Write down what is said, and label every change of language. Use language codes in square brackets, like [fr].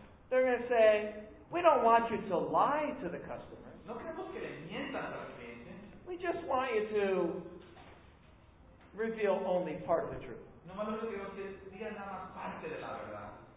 [en] They're going to say, we don't want you to lie to the customers. [es] No queremos que le mientas a los clientes. [en] We just want you to reveal only part of the truth. [es] No más lo que queremos es que digas nada más parte de la verdad.